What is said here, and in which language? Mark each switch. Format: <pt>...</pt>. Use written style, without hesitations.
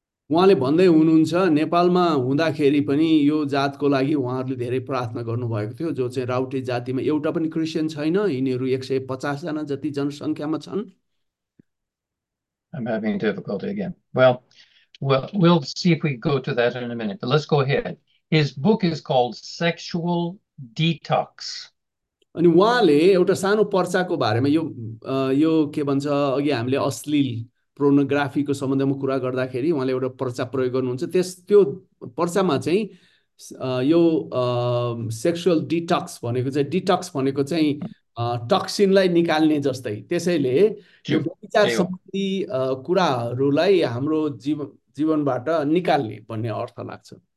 <ne>उहाँले भन्दै हुनुहुन्छ नेपालमा हुँदाखेरि पनि यो जातको लागि उहाँहरूले धेरै प्रार्थना गर्नुभएको थियो, जो चाहिँ राउटे जातिमा एउटा पनि क्रिस्चियन छैन, यिनीहरू 150 जना जति जनसङ्ख्यामा छन्।</ne> <en>I'm having difficulty again. Well, we'll see if we go to that in a minute, but let's go ahead. His book is called Sexual Detox.</en> <ne>अनि उहाँले एउटा सानो पर्चाको बारेमा, यो यो के भन्छ, अघि हामीले अश्लील प्रोनोग्राफीको सम्बन्धमा कुरा गर्दाखेरि उहाँले एउटा पर्चा प्रयोग गर्नुहुन्छ, त्यस त्यो पर्चामा चाहिँ यो सेक्सुअल डिटक्स भनेको चाहिँ, डिटक्स भनेको चाहिँ टक्सिनलाई निकाल्ने जस्तै, त्यसैले यो व्यभिचार सम्बन्धी कुराहरूलाई हाम्रो जीवनबाट निकाल्ने भन्ने अर्थ लाग्छ।</ne>